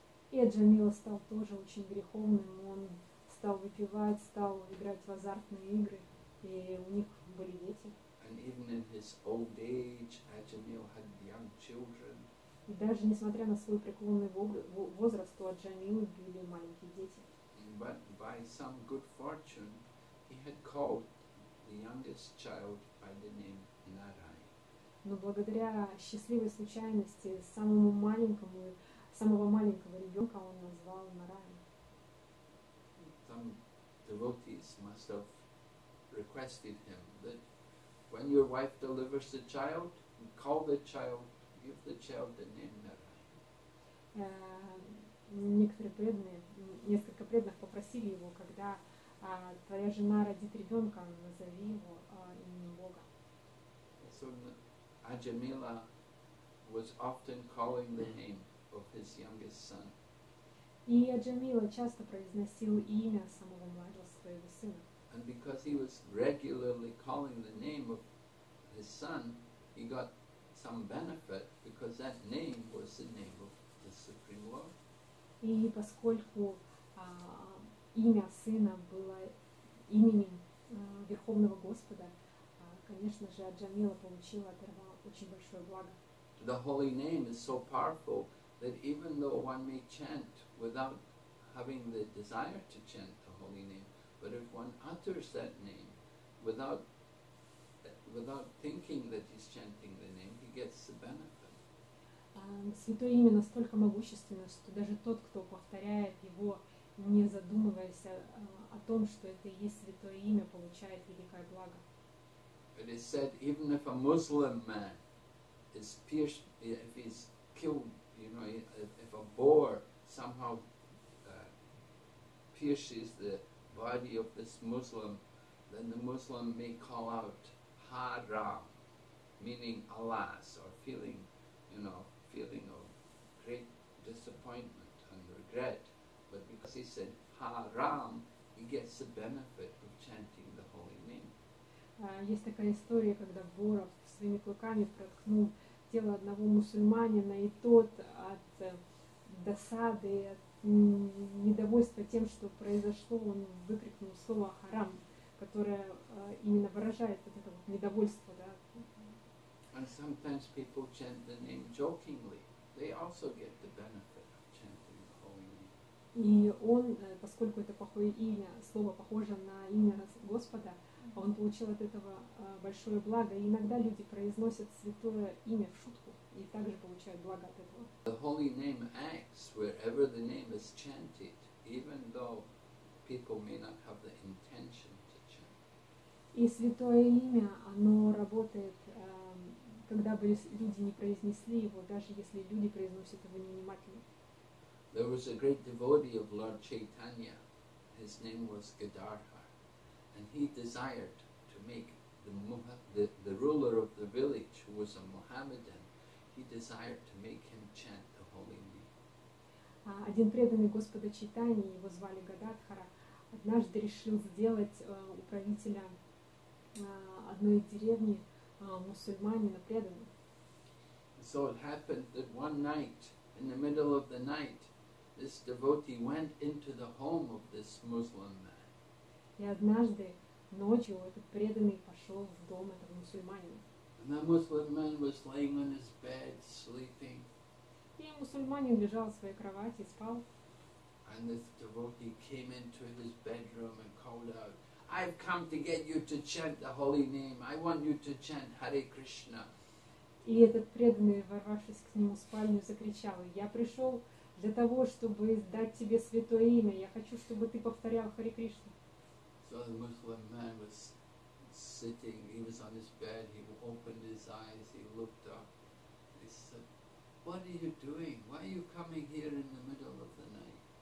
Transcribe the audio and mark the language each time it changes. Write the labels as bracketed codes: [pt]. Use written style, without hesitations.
[ru] И Аджамила стал тоже очень греховным. Он стал выпивать, стал играть в азартные игры, и у них были дети. [en] And even in his old age, Ajamil had young children. [ru] И даже несмотря на свой преклонный возраст, у Аджамилы были маленькие дети. [en] But by some good fortune, he had called the youngest child by the name Narai. [ru] Но благодаря счастливой случайности самого маленького ребенка он назвал Нарай. [en] Some devotees must have requested him that when your wife delivers the child, call the child, give the child the name Narai. [ru] Несколько преданных попросили его, когда твоя жена родит ребенка, назови его именем Бога. [en] So Ajamila was often calling the name of his youngest son. [ru] И Аджамила часто произносил имя самого младшего своего сына. [en] And because he was regularly calling the name of his son, he got some benefit, because that name was the name of the Supreme Lord. [ru] И поскольку имя сына было именем Верховного Господа, конечно же, Аджамила получила от этого очень большое благо. [en] The holy name is so powerful that even though one may chant without having the desire to chant the holy name, but if one utters that name without thinking that he's chanting the name, he gets the benefit. [ru] Святое имя настолько могущественно, что даже тот, кто повторяет его, не задумываясь о том, что это и есть Святое имя, получает великое благо. [en] It is said even if a Muslim man is pierced, if he's killed, you know, if a boar somehow pierces the body of this Muslim, then the Muslim may call out Haram, meaning alas, or feeling, you know, feeling of great disappointment and regret. But because he said Haram, he gets the benefit of chanting the holy name. [ru] Есть такая история, когда боров своими клыками проткнул тело одного мусульманина, и тот от досады, от недовольства тем, что произошло, он выкрикнул слово «харам», которое именно выражает вот это вот недовольство. Да? [en] And sometimes people chant the name jokingly. They also get the benefit of chanting the holy name. [ru] И он, поскольку это плохое имя, слово похоже на имя Господа, он получил от этого большое благо. И иногда люди произносят святое имя в шутку и также получают благо от этого. [en] The holy name acts wherever the name is chanted, even though people may not have the intention to chant. [ru] И святое имя, оно работает, когда бы люди не произнесли его, даже если люди произносят его невнимательно. [en] There was a great devotee of Lord Chaitanya. His name was Gadarha. And he desired to make the ruler of the village, who was a Mohammedan, he desired to make him chant the holy name. [ru] Один преданный Господа Чайтани, его звали Гададхара, однажды решил сделать управителя одной деревни мусульманина преданным. [en] So it happened that one night, in the middle of the night, this devotee went into the home of this Muslim man. [ru] И однажды ночью этот преданный пошел в дом этого мусульманина. [en] And the Muslim man was lying on his bed, sleeping. [ru] И мусульманин лежал в своей кровати, спал. [en] And this devotee came into his bedroom and called out, I've come to get you to chant the holy name. I want you to chant Hare Krishna. [ru] И этот преданный, ворвавшись к нему в спальню, закричал, я пришел для того, чтобы дать тебе святое имя. Я хочу, чтобы ты повторял Хари Кришну. [en] So the Muslim man was sitting, he was on his bed, he opened his eyes, he looked up, he said, what are you doing? Why are you coming here in the middle of the night?